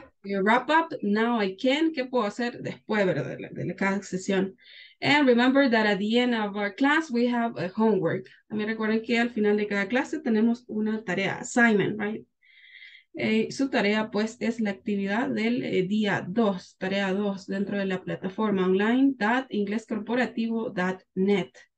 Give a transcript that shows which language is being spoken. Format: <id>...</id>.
<en>Wrap up, now I can,</en> <es>¿qué puedo hacer después de cada sesión?</es> <en>And remember that at the end of our class, we have a homework.</en> <es>También recuerden que al final de cada clase tenemos una tarea,</es> <en>assignment, right?</en> <es>Su tarea, pues, es la actividad del día 2, tarea 2, dentro de la plataforma online, inglescorporativo.net.</es>